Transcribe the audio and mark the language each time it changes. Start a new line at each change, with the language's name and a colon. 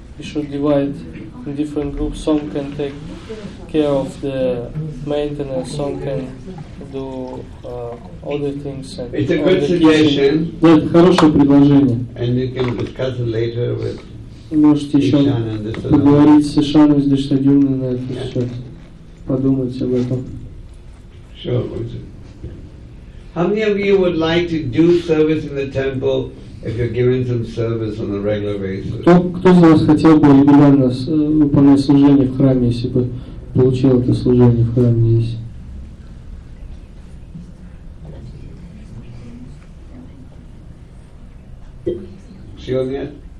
English: We should divide in different groups. Some can take care of the maintenance, some can do other things. And it's a good suggestion.
Russian: Это хорошее предложение.
English: And you can discuss it later with
Russian: можете еще поговорить с Ишаном здесь на дюне на это все. Подумать об этом.
English: Sure. How many of you would like to do service in the temple? If you're giving some service on a regular basis.
Russian: Кто из вас хотел бы регулярно выполнять служение в храме, если бы получил это служение в храме здесь? Все нет?